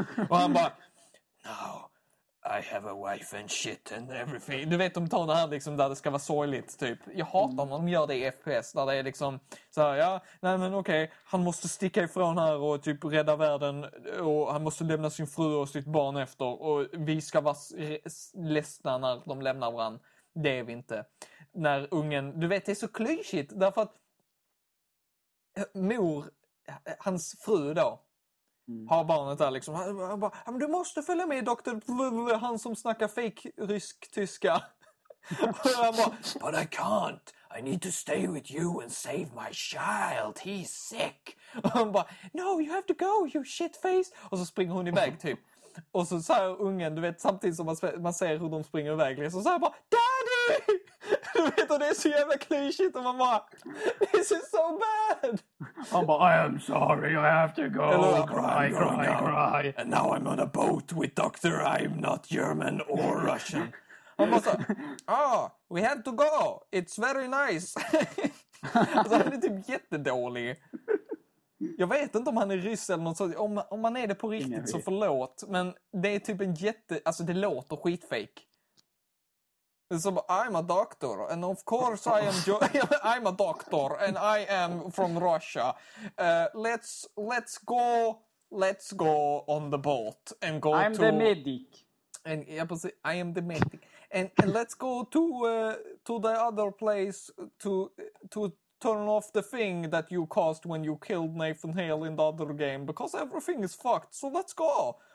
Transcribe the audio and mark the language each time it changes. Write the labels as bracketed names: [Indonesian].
[Swedish] Och han bara, [English] now I have a wife and shit and everything. [Swedish] Du vet, de tar det här liksom där det ska vara sorgligt typ. Jag hatar när de gör det i FPS där det är liksom så här, ja, nej men okej, okay, han måste sticka ifrån här och typ rädda världen och han måste lämna sin fru och sitt barn efter och vi ska vara ledsna när de lämnar varandra. Det är vi inte. När ungen, du vet, det är så klyschigt därför att mor, hans fru då, har barnet där liksom. Han bara, du måste följa med doktor, han som snackar fake rysk-tyska. Och han bara, [English] but I can't. I need to stay with you and save my child. He's sick. [Swedish] Och han bara, [English] no, you have to go, you shit face. [Swedish] Och så springer hon iväg typ. Och så säger ungen, du vet, samtidigt som man ser hur de springer iväg. Liksom, så säger bara, daddy! Du vet, och det är så jävla klyschigt. Och man bara, [English] this is so bad. [Swedish] Han bara, [English] I am sorry, I have to go. Eller, cry, cry, cry. And now I'm on a boat with doctor. I'm not German or Russian. [Swedish] Han bara så, [English] oh, we have to go. It's very nice. [Swedish] Alltså han är typ jättedålig. Jag vet inte om han är ryss eller något sånt. Om man är det på riktigt så förlåt. Men det är typ en jätte... Alltså det låter skitfake. [English] Som, I'm a doctor, and of course I am... I'm a doctor, and I am from Russia. Let's go on the boat and go I'm to... I'm the medic. And, yeah, but see, I am the medic. And let's go to the other place to turn off the thing that you caused when you killed Nathan Hale in the other game, because everything is fucked, so let's go.